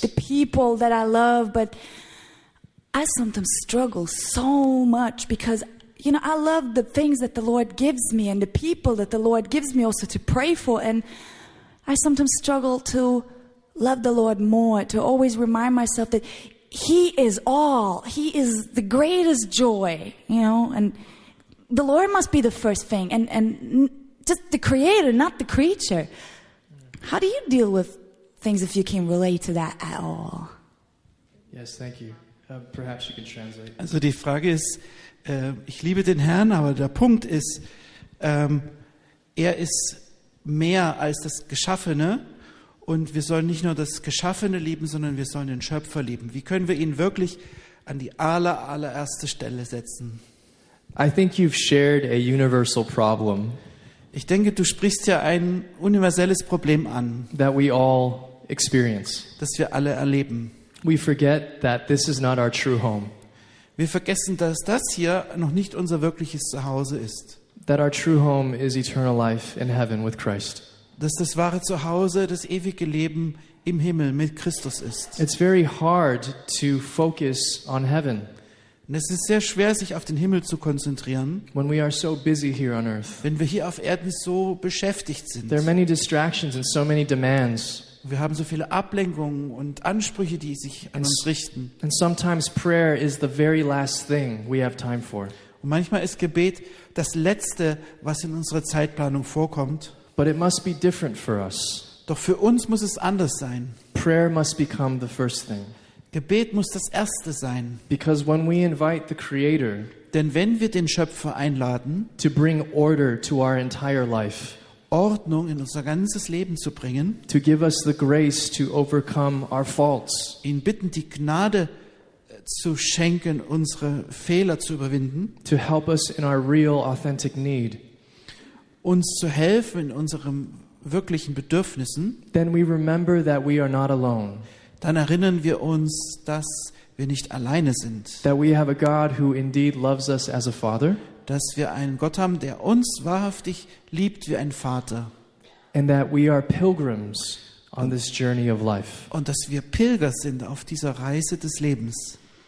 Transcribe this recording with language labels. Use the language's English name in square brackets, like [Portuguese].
[English] the people that I love, but I sometimes struggle so much because, you know, I love the things that the Lord gives me and the people that the Lord gives me also to pray for, and I sometimes struggle to love the Lord more, to always remind myself that He is all, He is the greatest joy, you know, and the Lord must be the first thing, and just the creator, not the creature. How do you deal with things if you can relate to that at all? Yes, thank you. Perhaps you can translate. [German] Also die Frage ist, ich liebe den Herrn, aber der Punkt ist, er ist mehr als das Geschaffene und wir sollen nicht nur das Geschaffene lieben, sondern wir sollen den Schöpfer lieben. Wie können wir ihn wirklich an die allererste Stelle setzen? [English] I think you've shared a universal problem. [German] Ich denke, du sprichst ja ein universelles Problem an, [English] that we all experience. [German] Das wir alle erleben. [English] We forget that this is not our true home. [German] Wir vergessen, dass das hier noch nicht unser wirkliches Zuhause ist. [English] That our true home is eternal life in heaven with Christ. [German] Dass das wahre Zuhause das ewige Leben im Himmel mit Christus ist. [English] It's very hard to focus on heaven. [German] Und es ist sehr schwer, sich auf den Himmel zu konzentrieren, [English] when we are so busy here on earth. [German] Wenn wir hier auf Erden so beschäftigt sind. [English] There are many distractions and so many demands. [German] Wir haben so viele Ablenkungen und Ansprüche, die sich an uns richten. [English] And sometimes prayer is the very last thing we have time for. [German] Und manchmal ist Gebet das Letzte, was in unserer Zeitplanung vorkommt. [English] But it must be different for us. [German] Doch für uns muss es anders sein. [English] Prayer must become the first thing. [German] Gebet muss das Erste sein. [English] Because when we invite the Creator, [German] denn wenn wir den Schöpfer einladen, [English] to bring order to our entire life, [German] Ordnung in unser ganzes Leben zu bringen, [English] to give us the grace to overcome our faults, [German] ihn bitten, die Gnade zu schenken, unsere Fehler zu überwinden, [English] to help us in our real, authentic need, [German] uns zu helfen in unseren wirklichen Bedürfnissen, [English] then we remember that we are not alone. [German] Dann erinnern wir uns, dass wir nicht alleine sind. [English] That we have a God who indeed loves us as a father. [German] Dass wir einen Gott haben, der uns wahrhaftig liebt wie ein Vater. [English] And that we are pilgrims on this journey of life. [German] Und dass wir Pilger sind auf dieser Reise des Lebens.